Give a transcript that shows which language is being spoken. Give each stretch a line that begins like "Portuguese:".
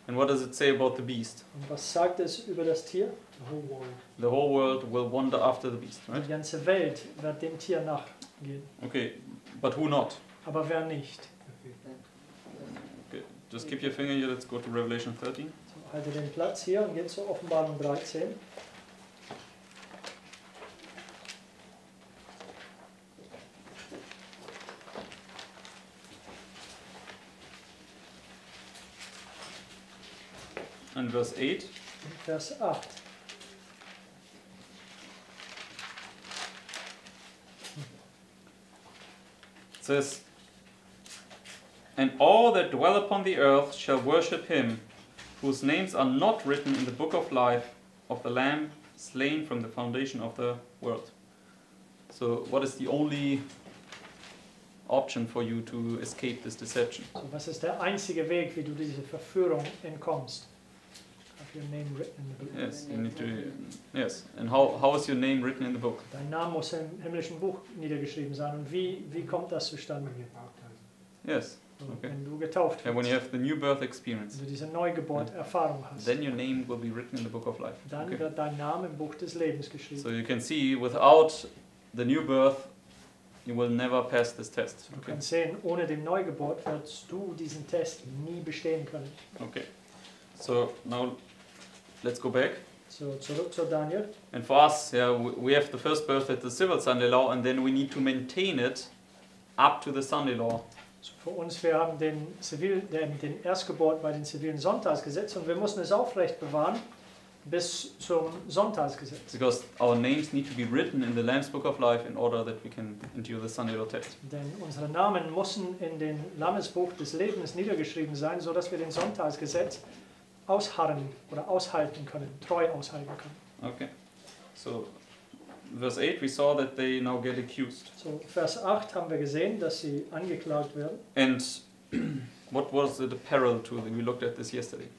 English: And what does it say about the beast?
German: Und was sagt es über das Tier?
English: The whole world. The whole world will wander after the beast, right?
German: Die ganze Welt wird dem Tier nachgehen.
English: Okay, but who not?
German: Aber wer nicht?
English: Okay, just keep your finger here, let's go to Revelation 13.
German: So, halte den Platz hier und geht zu Offenbarung 13.
English: And verse 8.
German: Vers 8.
English: It says, "And all that dwell upon the earth shall worship him whose names are not written in the book of life of the Lamb slain from the foundation of the world." So what is the only option for you to escape this deception?
German: So was ist der einzige Weg, wie du diese Verführung entkommst?
English: Have your name written in the book? Yes, you need to, yes. And how is your name written in the book?
German: Dein Name muss im himmlischen Buch niedergeschrieben sein. Und wie kommt das zustande?
English: Yes. Okay.
German: Wenn du getauft
English: and when you have the new birth experience,
German: wenn du diese Neugeburt-Erfahrung hast,
English: then your name will be written in the book of life.
German: Dann okay. wird dein Name im Buch des Lebens geschrieben.
English: So you can see, without the new birth, you will never pass this test.
German: Du okay. kannst sehen, ohne den Neugeburt wirst du diesen Test nie bestehen können.
English: Okay. So now, let's go back.
German: So zurück zu Daniel.
English: And for us, yeah, we have the first birth at the civil Sunday law, and then we need to maintain it up to the Sunday law.
German: Für uns, wir haben den Erstgeburt bei den zivilen Sonntagsgesetz und wir müssen es aufrecht bewahren bis zum Sonntagsgesetz.
English: Because our names need to be written in the Lamb's Book of Life in order that we can endure the Sunday law test.
German: Denn unsere Namen müssen in den Lammesbuch des Lebens niedergeschrieben sein, so dass wir den Sonntagsgesetz ausharren oder aushalten können, treu aushalten können.
English: Okay, so Verse 8, we saw that they now get accused.
German: So, Vers 8 haben wir gesehen, dass sie angeklagt werden.
English: And what was the parallel to them? We looked at this yesterday.